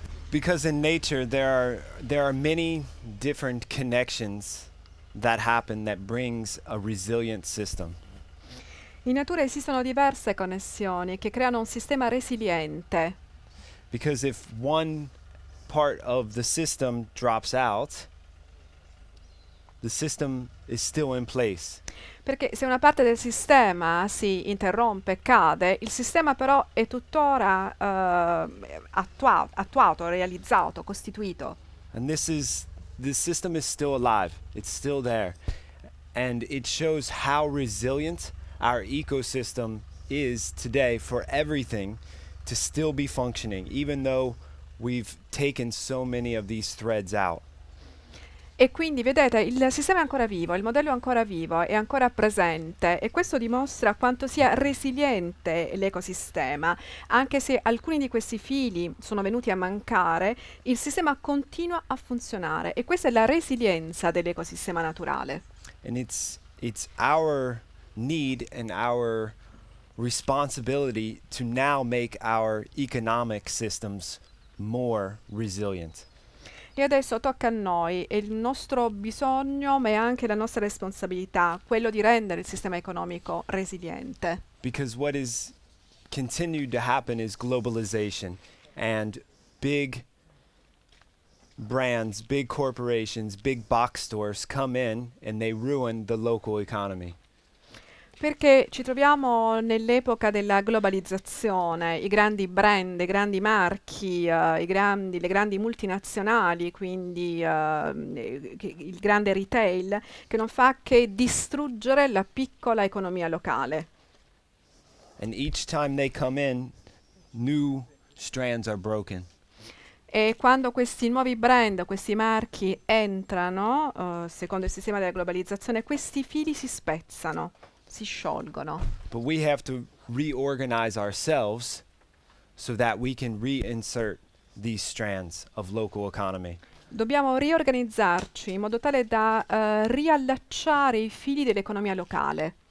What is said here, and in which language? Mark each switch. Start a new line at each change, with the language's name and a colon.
English: Because in nature there are many different connections that happen that brings a resilient system.
Italian: In natura esistono diverse connessioni che creano un sistema resiliente.
English: Because if one part of the system drops out, the system is still in place.
Italian: Perché se una parte del sistema si interrompe, cade, il sistema però è tuttora attuato, realizzato, costituito.
English: And this system is still alive. It's still there. And it shows how resilient our ecosystem is today for everything to still be functioning, even though we've taken so many of these threads out.
Italian: E quindi, vedete, il sistema è ancora vivo, il modello è ancora vivo, è ancora presente, e questo dimostra quanto sia resiliente l'ecosistema. Anche se alcuni di questi fili sono venuti a mancare, il sistema continua a funzionare, e questa è la resilienza dell'ecosistema naturale.
English: And it's our need and our responsibility to now make our economic systems more resilient.
Italian: E adesso tocca a noi, è il nostro bisogno, ma è anche la nostra responsabilità, quello di rendere il sistema economico resiliente.
English: Because what is continued to happen is globalization and big brands, big corporations, big box stores come in and they ruin the local economy.
Italian: Perché ci troviamo nell'epoca della globalizzazione, i grandi brand, i grandi marchi, le grandi multinazionali, quindi il grande retail, che non fa che distruggere la piccola economia locale.
English: And each time they come in, new strands are broken.
Italian: E quando questi nuovi brand, questi marchi entrano, secondo il sistema della globalizzazione, questi fili si spezzano, si sciolgono.
English: But we have to reorganize ourselves so that we can reinsert these strands of local economy.
Italian: Dobbiamo riorganizzarci in modo tale da riallacciare i fili dell'economia locale.